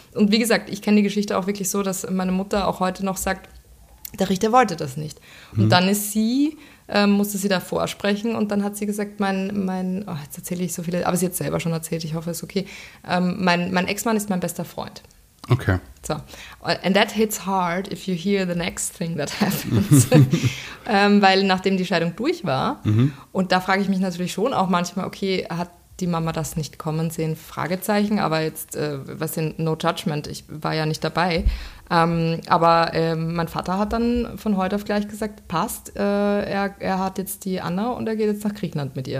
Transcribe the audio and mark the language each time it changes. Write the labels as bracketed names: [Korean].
[German] Und wie gesagt, ich kenne die Geschichte auch wirklich so, dass meine Mutter auch heute noch sagt, der Richter wollte das nicht. Und dann ist sie, musste sie da vorsprechen und dann hat sie gesagt, jetzt erzähle ich so viele, aber sie hat selber schon erzählt, ich hoffe, es ist okay, mein Ex-Mann ist mein bester Freund. Okay. So. [English] And that hits hard if you hear the next thing that happens. [German] weil nachdem die Scheidung durch war, und da frage ich mich natürlich schon auch manchmal, okay, hat die Mama das nicht kommen sehen? Fragezeichen, aber jetzt, was denn, [English] no judgment, [German] ich war ja nicht dabei. Mein Vater hat dann von heute auf gleich gesagt, passt, er hat jetzt die Anna und er geht jetzt nach Griechenland mit ihr.